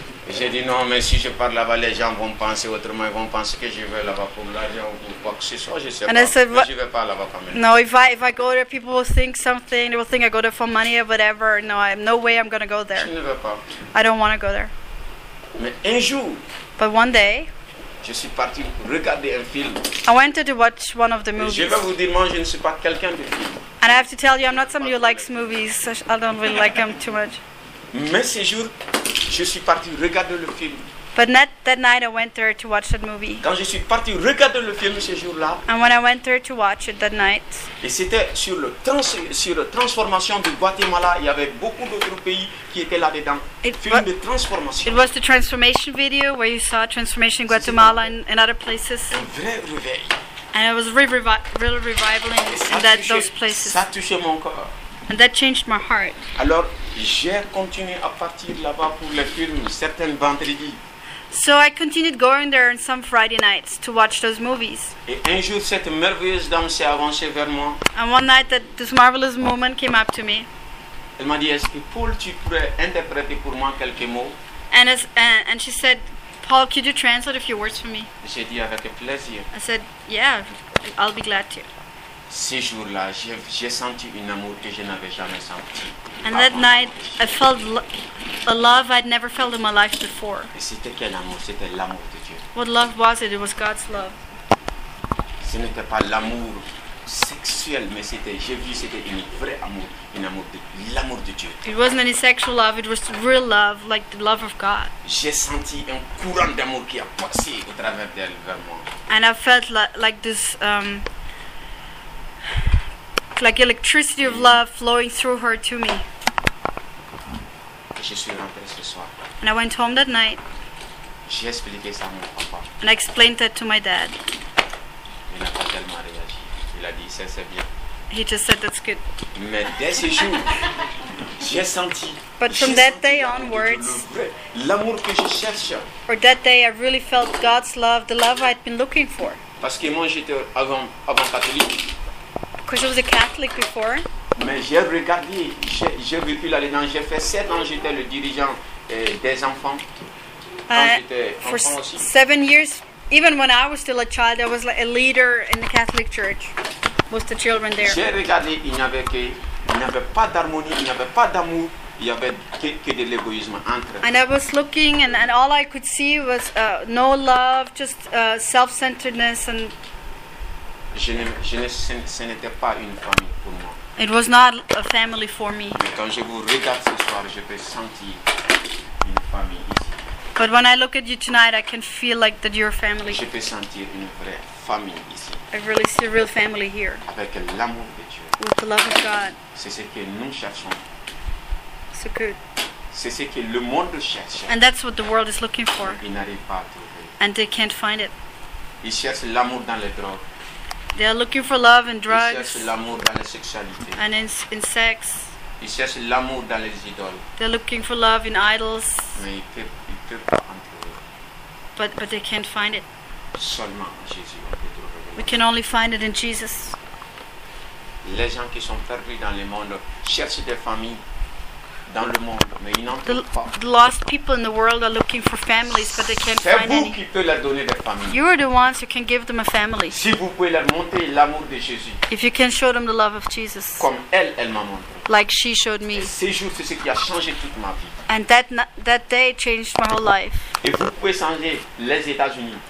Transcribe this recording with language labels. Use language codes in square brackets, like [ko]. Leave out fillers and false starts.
[fr] J'ai dit, non, mais si je pars là-bas, les gens vont penser autrement, ils vont penser que je vais là-bas pour l'argent ou quoi que ce soit, je sais [en] and [fr] pas. [en] And I said, [fr] je vais pas là-bas quand même. [en] No, if I go there, people will think something. They will think I go there for money or whatever. No, I have no way I'm going to go there. [fr] Je ne vais pas. [en] I don't want to go there. [fr] Mais un jour, [en] but one day, [fr] je suis parti regarder un film. [en] I went to watch one of the movies. [fr] Je vais vous dire, moi, je ne suis pas quelqu'un de film. [en] And I have to tell you, I'm not somebody who likes movies. So I don't really like them too much. [fr] Mais ce jour, je suis parti regarder le film. [en] But that night, I went there to watch that movie. [fr] Quand je suis parti regarder le film ce jour-là, [en] and when I went there to watch it that night, [fr] et c'était sur la transformation du Guatemala, il y avait beaucoup d'autres pays qui étaient là-dedans. De transformation. [en] It was the transformation video where you saw transformation in Guatemala and other places. [fr] Un vrai réveil. [en] And it was really revivaling in that [fr] touché, [en] those places. [fr] Ça touchait mon cœur. [en] And that changed my heart. [fr] Alors, j'ai continué à partir là-bas pour le film certains vendredis. [en] So I continued going there on some Friday nights to watch those movies. [fr] Et un jour, cette merveilleuse dame s'est avancée vers moi. [en] And one night that this marvelous woman came up to me. [fr] Elle m'a dit, est-ce que Paul, tu pourrais interpréter pour moi quelques mots? [en] And she said, Paul, could you translate a few words for me? [fr] J'ai dit, avec plaisir. [en] I said, yeah, I'll be glad to. [fr] Ce jour-là, j'ai senti un amour que je n'avais jamais senti. [en] And that night, I felt a love I'd never felt in my life before. [fr] Et c'était quel amour? C'était l'amour de Dieu. [en] What love was it? It was God's love. [fr] Ce n'était pas l'amour sexuel, mais c'était un vrai amour, un amour de l'amour de Dieu. [en] It wasn't any sexual love, it was real love, like the love of God. [fr] J'ai senti un courant d'amour qui a passé au travers d'elle vers moi. [en] And I felt like this like electricity of love flowing through her to me. [fr] Je suis rentré ce soir. [en] And I went home that night. [fr] J'ai expliqué ça à mon papa. [en] And I explained that to my dad. [fr] Il n'a pas tellement réagi. Il a dit, c'est bien. [en] He just said that's good. [fr] Mais dès ce jour, j'ai senti. [en] But from that day onwards, [fr] l'amour que je cherche. [en] Or that day, I really felt God's love, the love I'd been looking for. [fr] Parce que moi, j'étais avant catholique. [en] Because I was a Catholic before. [fr] Mais j'ai regardé, j'ai vécu là-dedans. J'ai fait 7 ans. J'étais le dirigeant des enfants. [en] For 7 years, even when I was still a child, I was like a leader in the Catholic Church. Most of the children there. [fr] J'ai regardé, il n'y avait pas d'harmonie, il n'y avait pas d'amour, il y avait que de l'égoïsme entre. [en] And I was looking, and all I could see was no love, just self-centeredness, and. [fr] Ce n'était pas une famille pour moi. [en] It was not a family for me. [fr] Mais quand je vous regarde ce soir, je peux sentir une famille ici. [en] But when I look at you tonight, I can feel like that you're a family. [fr] Je peux sentir une vraie famille ici. [en] I really see a real family here. [fr] Avec l'amour de Dieu. [en] With the love of God. [fr] C'est ce que nous cherchons. [en] So good. [fr] C'est ce que le monde cherche. [en] And that's what the world is looking for. [fr] Ils n'arrivent pas à trouver. [en] And they can't find it. [fr] Ils cherchent l'amour dans les drogues. [en] They are looking for love and drugs. [fr] Ils cherchent l'amour dans la sexualité. [en] And in sex. [fr] Ils cherchent l'amour dans les idoles. [en] They're looking for love in idols. [fr] Mais ils peuvent pas en trouver. [en] But they can't find it. [fr] Seulement Jésus, on peut trouver. [en] We can only find it in Jesus. [fr] Les gens qui sont perdus dans le monde cherchent des familles dans le monde, mais ils n'en trouvent pas. [en] The lost people in the world are looking for families, but they can't find [fr] C'est vous qui pouvez leur donner des familles. [en] You are the ones who can give them a family. [fr] Si vous pouvez leur montrer l'amour de Jésus. [en] If you can show them the love of Jesus. [fr] Comme elle m'a montré. [en] Like she showed me. [fr] Ces jours, c'est ce qui a changé toute ma vie. [en] And that day changed my whole life. [fr] Et vous pouvez changer les États-Unis.